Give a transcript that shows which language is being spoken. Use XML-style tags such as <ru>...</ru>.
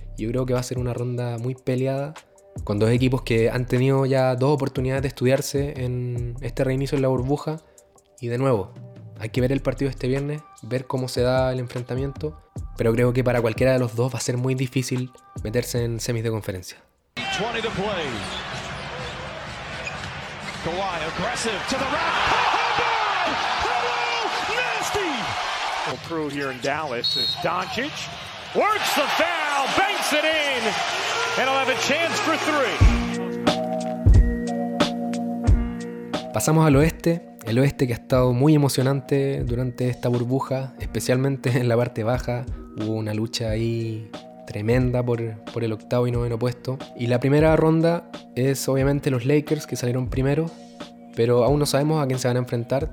<es>Yo creo que va a ser una ronda muy peleada, con dos equipos que han tenido ya dos oportunidades de estudiarse en este reinicio en la burbuja. Y de nuevo, hay que ver el partido este viernes, ver cómo se da el enfrentamiento, pero creo que para cualquiera de los dos va a ser muy difícil meterse en semis de conferencia.</es> <en>20 to play. Kawhi aggressive to the rack. Hello, nasty. Pull through here in Dallas as Doncic works the foul, banks it in, and he'll have a chance for three.</en> <es>Pasamos al oeste. El oeste que ha estado muy emocionante durante esta burbuja, especialmente en la parte baja. Hubo una lucha ahí tremenda por el octavo y noveno puesto. Y la primera ronda es obviamente los Lakers, que salieron primero, pero aún no sabemos a quién se van a enfrentar.</es>